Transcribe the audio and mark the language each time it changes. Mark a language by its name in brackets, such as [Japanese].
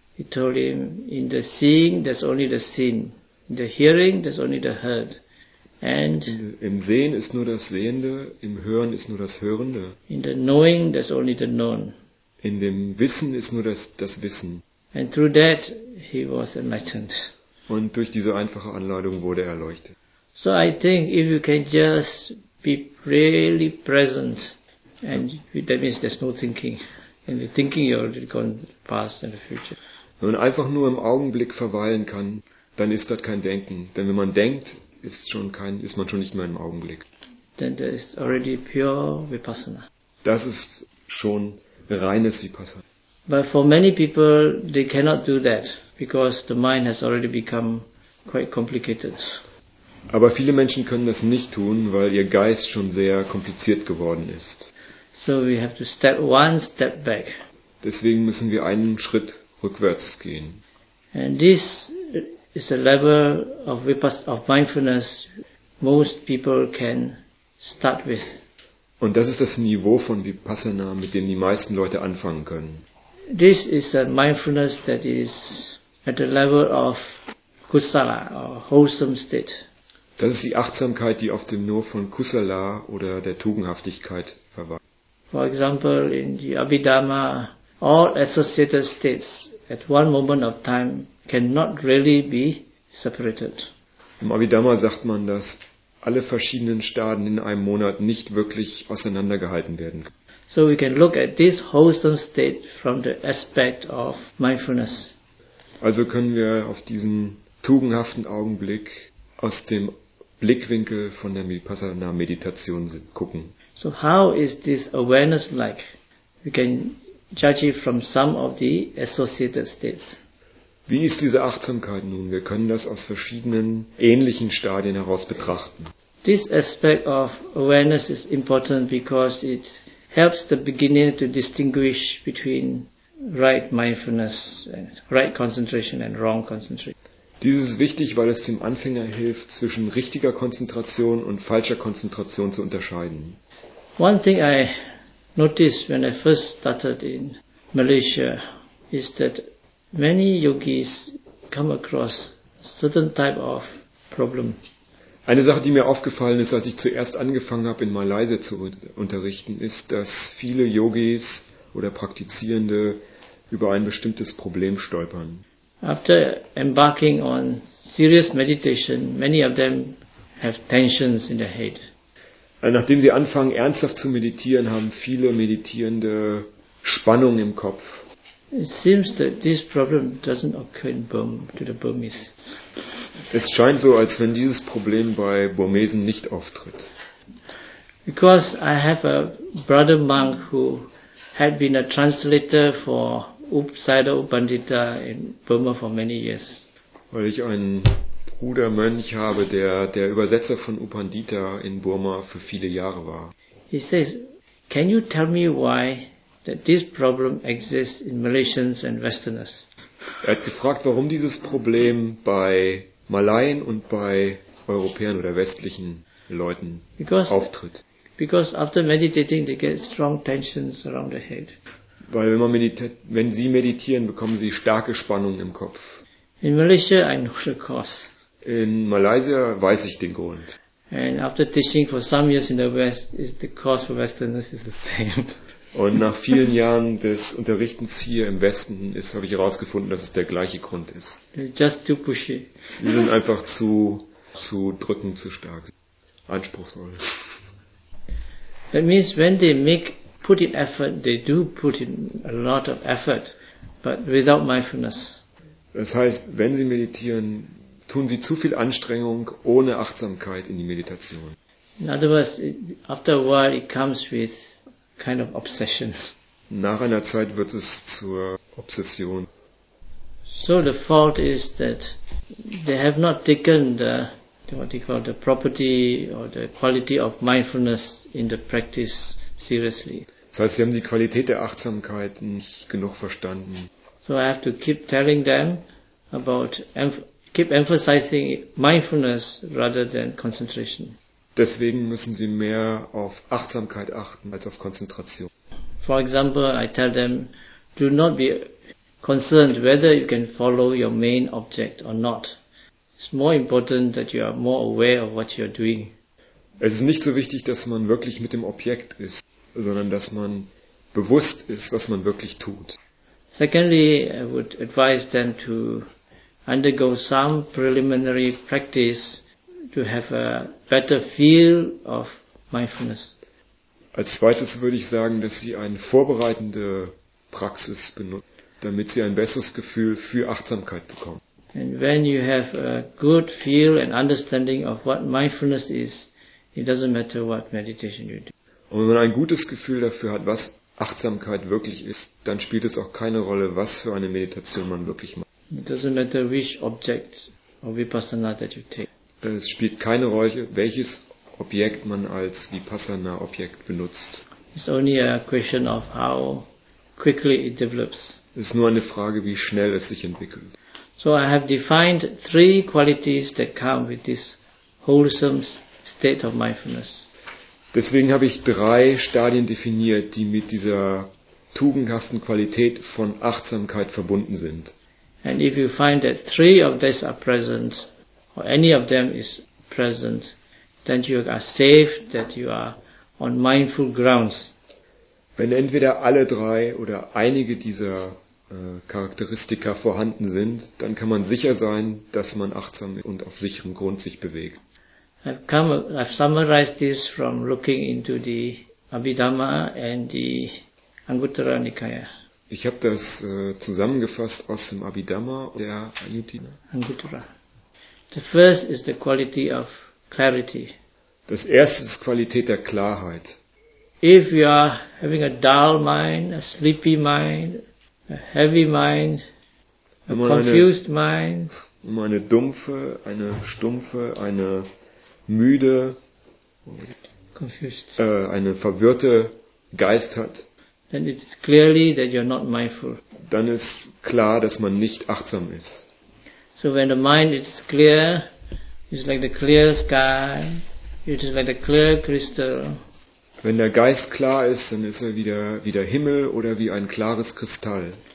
[English] He told him, in the seeing, there's only the seen. In the hearing, there's only the heard. And [German] im Sehen ist nur das Sehende, im Hören ist nur das Hörende. [English] In the knowing, there's only the known. [German] In dem Wissen ist nur das Wissen. [English] And through that, he was enlightened. [German] Und durch diese einfache Anleitung wurde er erleuchtet. [English] So I think if you can just be really present, and that means there's no thinking. And the thinking you already gone past and the future. [German] Wenn man einfach nur im Augenblick verweilen kann, dann ist dort kein Denken. Denn wenn man denkt, ist man schon nicht mehr im Augenblick. [English] Then there is already pure Vipassana. [German] Das ist schon reines Vipassana. [English] But for many people, they cannot do that, because the mind has already become quite complicated. [German] Aber viele Menschen können das nicht tun, weil ihr Geist schon sehr kompliziert geworden ist. [English] So we have to step one step back. [German] Deswegen müssen wir einen Schritt rückwärts gehen. [English] And this is a level of mindfulness most people can start with. [German] Und das ist das Niveau von Vipassana, mit dem die meisten Leute anfangen können. [English] This is a mindfulness that is at the level of kusala or wholesome state. [German] Das ist die Achtsamkeit, die auf dem Niveau von Kusala oder der Tugendhaftigkeit verweilt. [English] For example, in the Abhidhamma, all associated states at one moment of time cannot really be separated. [German] Im Abhidhamma sagt man, dass alle verschiedenen Staaten in einem Monat nicht wirklich auseinandergehalten werden. [English] So we can look at this wholesome state from the aspect of mindfulness. [German] Also können wir auf diesen tugendhaften Augenblick aus dem Blickwinkel von der Vipassana-Meditation gucken. [English] So how is this awareness like? We can judge it from some of the associated states. [German] Wie ist diese Achtsamkeit nun? Wir können das aus verschiedenen ähnlichen Stadien heraus betrachten. [English] This aspect of awareness is important because it helps the beginner to distinguish between right mindfulness, and right concentration and wrong concentration. [German] Dies ist wichtig, weil es dem Anfänger hilft, zwischen richtiger Konzentration und falscher Konzentration zu unterscheiden. [English] One thing I noticed when I first started in Malaysia is that many yogis come across a certain type of problem. [German] Eine Sache, die mir aufgefallen ist, als ich zuerst angefangen habe, in Malaysia zu unterrichten, ist, dass viele Yogis oder Praktizierende über ein bestimmtes Problem stolpern. [English] After embarking on serious meditation, many of them have tensions in their head. [German] Nachdem sie anfangen, ernsthaft zu meditieren, haben viele Meditierende Spannung im Kopf. [English] It seems that this problem doesn't occur in Burma, to the Burmese. [German] Es scheint so, als wenn dieses Problem bei Burmesen nicht auftritt. [English] Because I have a brother monk who had been a translator for Upsaida Upandita in Burma for many years. [German] Weil ich einen Brudermönch habe, der Übersetzer von Upandita in Burma für viele Jahre war. [English] He says, can you tell me why that this problem exists in Malaysians and Westerners? [German] Er hat gefragt, warum dieses Problem bei Malaien und bei Europäern oder westlichen Leuten auftritt. [English] Because after meditating they get strong tensions around the head. [German] Weil wenn sie meditieren, bekommen sie starke Spannungen im Kopf. [English] In Malaysia I know the cause. [German] In Malaysia weiß ich den Grund. [English] And after teaching for some years in the West, is the cause for Westerners is the same. [German] Und nach vielen Jahren des Unterrichtens hier im Westen habe ich herausgefunden, dass es der gleiche Grund ist. [English] Just too pushy. [German] Wir sind einfach zu drücken, zu stark, anspruchsvoll. [English] That means when they put in effort, they do put in a lot of effort, but without mindfulness. [German] Das heißt, wenn sie meditieren, tun sie zu viel Anstrengung ohne Achtsamkeit in die Meditation. [English] In other words, after a while it comes with kind of obsession. [German] Nach einer Zeit wird es zur Obsession. [English] So the fault is that they have not taken the property or the quality of mindfulness in the practice seriously. [German] Das heißt, sie haben die Qualität der Achtsamkeit nicht genug verstanden. [English] So I have to keep telling them about keep emphasizing mindfulness rather than concentration. [German] Deswegen müssen sie mehr auf Achtsamkeit achten als auf Konzentration. [English] For example, I tell them, do not be concerned whether you can follow your main object or not. It's more important that you are more aware of what you are doing. [German] Es ist nicht so wichtig, dass man wirklich mit dem Objekt ist, sondern dass man bewusst ist, was man wirklich tut. [English] Secondly, I would advise them to undergo some preliminary practice to have a better feel of mindfulness. [German] Als zweites würde ich sagen, dass sie eine vorbereitende Praxis benutzen, damit sie ein besseres Gefühl für Achtsamkeit bekommen. [English] And when you have a good feel and understanding of what mindfulness is, it doesn't matter what meditation you do. [German] Und wenn man ein gutes Gefühl dafür hat, was Achtsamkeit wirklich ist, dann spielt es auch keine Rolle, was für eine Meditation man wirklich macht. [English] It doesn't matter which object or vipassana that you take. [German] Es spielt keine Rolle, welches Objekt man als Vipassana-Objekt benutzt. [English] It's only a question of how quickly it develops. [German] Es ist nur eine Frage, wie schnell es sich entwickelt. [English] So I have defined three qualities that come with this wholesome state of mindfulness. [German] Deswegen habe ich drei Stadien definiert, die mit dieser tugendhaften Qualität von Achtsamkeit verbunden sind. [English] And if you find that three of these are present, or any of them is present, then you are safe that you are on mindful grounds. [German] Wenn entweder alle drei oder einige dieser Charakteristika vorhanden sind, dann kann man sicher sein, dass man achtsam ist und auf sicherem Grund sich bewegt. [English] I've summarized this from looking into the Abhidhamma and the Anguttara Nikaya. [German] Ich habe das zusammengefasst aus dem Abhidhamma und der [English] Anguttara. The first is the quality of clarity. [German] Das erste ist Qualität der Klarheit. [English] If you are having a dull mind, a sleepy mind, a heavy mind, a confused mind. [German] Wenn man eine dumpfe, eine stumpfe, eine müde, [English] confused. [German] Eine verwirrte Geist hat, [English] then it is clearly that you are not mindful. [German] Dann ist klar, dass man nicht achtsam ist. [English] So when the mind is clear, it's like the clear sky, it is like the clear crystal. [German] Wenn der Geist klar ist, dann ist er wie der Himmel oder wie ein klares Kristall.